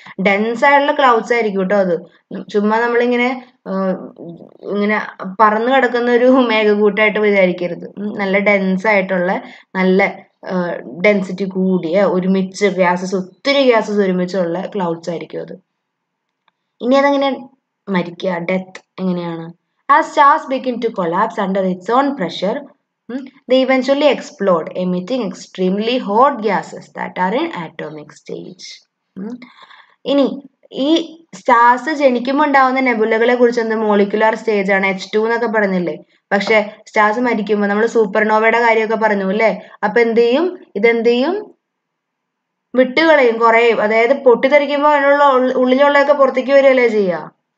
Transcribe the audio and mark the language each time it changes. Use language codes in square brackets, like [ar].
[ml] Dense ആയിട്ടുള്ള clouds ആയിരിക്കും കേട്ടോ അത്. ചുമ്മാ നമ്മളിങ്ങനെ ഇങ്ങനെ പറന്നു കിടക്കുന്ന ഒരു മേഘക്കൂട്ടായിട്ട് വിചാരിക്കരുത്. നല്ല ഡെൻസ് ആയിട്ടുള്ള, നല്ല ഡെൻസിറ്റി കൂടിയ, ഒരുമിച്ച് ഗ്യാസസ്, ഒത്തിരി ഗ്യാസസ് ഒരുമിച്ചുള്ള ക്ലൗഡ്സ് ആയിരിക്കും അത്. ഇനി അതെങ്ങനെ മരിക്കുക? ഡെത്ത് എങ്ങനെയാണ്? [en] As stars begin to collapse under its own pressure they eventually explode, emitting extremely hot gases that are in atomic stage. [ml] ഇനി ഈ സ്റ്റാർസ് ജനിക്കുമ്പോൾ ഉണ്ടാവുന്ന നെബുലകളെ കുറിച്ച് എന്ത് മോളിക്കുലാർ സ്റ്റേജ് ആണ് H2 എന്നൊക്കെ പറഞ്ഞില്ലേ. പക്ഷെ സ്റ്റാർസ് മരിക്കുമ്പോൾ നമ്മൾ സൂപ്പർനോവയുടെ കാര്യമൊക്കെ പറഞ്ഞു അല്ലേ. അപ്പൊ എന്ത് ചെയ്യും? ഇതെന്ത് ചെയ്യും? വിട്ടുകളയും, കുറയും. അതായത് പൊട്ടിത്തെറിക്കുമ്പോൾ അതിനുള്ള ഉള്ളിലുള്ളതൊക്കെ പുറത്തേക്ക് വരികയല്ലേ ചെയ്യുക.